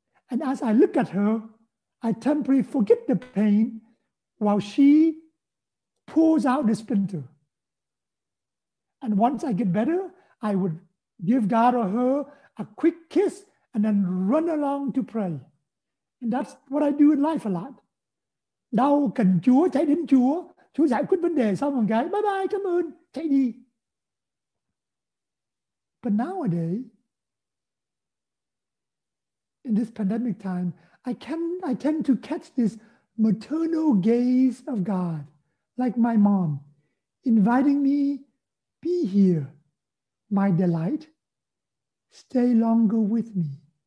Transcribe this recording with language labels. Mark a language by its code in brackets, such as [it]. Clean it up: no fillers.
[en] And as I look at her, I temporarily forget the pain while she pulls out the splinter. And once I get better, I would give God or her a quick kiss and then run along to pray. And that's what I do in life a lot. [vi] Now, cần Chúa, chạy đến Chúa, Chúa giải quyết vấn đề xong một cái, bye bye, cảm ơn, chạy đi. [en] But nowadays, in this pandemic time, I tend to catch this maternal gaze of God, like my mom, inviting me, be here, my delight, stay longer with me.